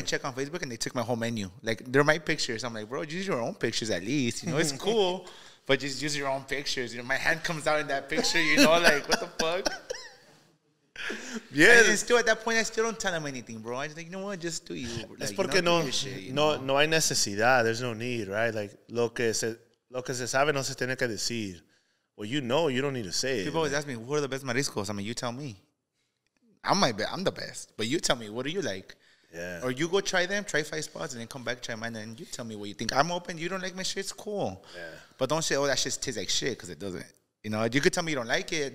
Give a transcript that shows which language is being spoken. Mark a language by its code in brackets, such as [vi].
[en] I check on Facebook, and they took my whole menu. Like, they're my pictures. I'm like, bro, use your own pictures at least. You know, it's cool, but just use your own pictures. You know, my hand comes out in that picture, you know, like, what the fuck? Yeah, and still at that point, I still don't tell them anything, bro. I just think, you know what, just do you. It's [es] porque no hay necesidad. [en] There's no need, right? [es] Like, lo que se sabe no se tiene que decir. [en] Well, you know, you don't need to say it. People always ask me, who are the best mariscos? I mean, you tell me. I'm the best, but you tell me, what do you like? Yeah. Or you go try them, try 5 spots, and then come back, try mine, and you tell me what you think. I'm open. You don't like my shit, it's cool. Yeah. But don't say, oh, that shit tastes like shit, because it doesn't. You know, you could tell me you don't like it.